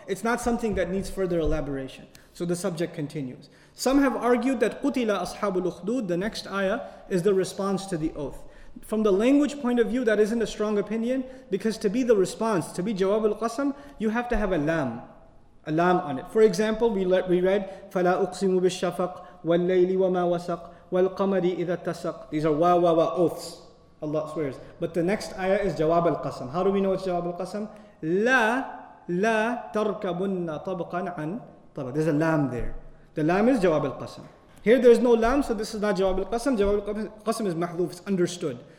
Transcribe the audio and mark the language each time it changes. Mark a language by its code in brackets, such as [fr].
[en] It's not something that needs further elaboration. So the subject continues. Some have argued that [ar] قُتِلَ أَصْحَابُ الْأُخْدُودِ, [en] the next ayah, is the response to the oath. From the language point of view, that isn't a strong opinion, because to be the response, to be jawab al-qasam, you have to have a lam on it. For example, we read, [ar] فَلَا أُقْسِمُ بِالشَّفَقْ وَاللَّيْلِ وَمَا وَسَقْ وَالْقَمَرِ إِذَا اتَّسَقْ. [en] These are wa-wa-wa oaths, Allah swears. But the next ayah is jawab al-qasam. How do we know it's jawab al-qasam? [ar] لَا تَرْكَبُنَّ طَبْقًا عَنْ. [en] There's a lam there. The lam is jawab al-qasam. Here there's no lam, so this is not jawab al-qasam. Jawab al-qasam is mahluf, it's understood.